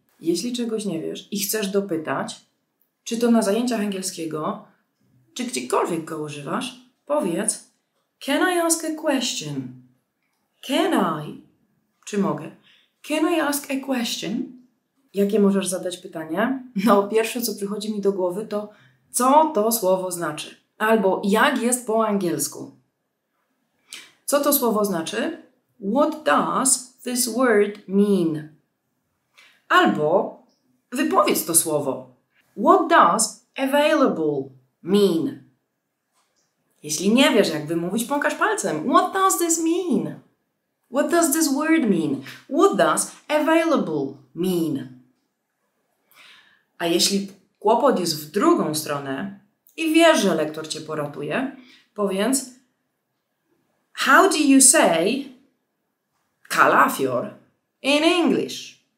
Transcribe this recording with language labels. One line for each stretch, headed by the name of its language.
Polish: Jeśli czegoś nie wiesz i chcesz dopytać, czy to na zajęciach angielskiego, czy gdziekolwiek go używasz, powiedz, can I ask a question? Can I? Czy mogę?
English: Can I ask a question? Jakie możesz zadać pytanie?
Polish: No, pierwsze, co przychodzi mi do głowy, to co to słowo znaczy? Albo jak jest po angielsku? Co to słowo znaczy?
English: What does this word mean?
Polish: Albo wypowiedz to słowo.
English: What does available mean?
Polish: Jeśli nie wiesz, jak wymówić, pokaż palcem.
English: What does this mean? What does this word mean? What does available mean?
Polish: A jeśli kłopot jest w drugą stronę i wiesz, że lektor Cię poratuje, powiedz How do you say calafior in English?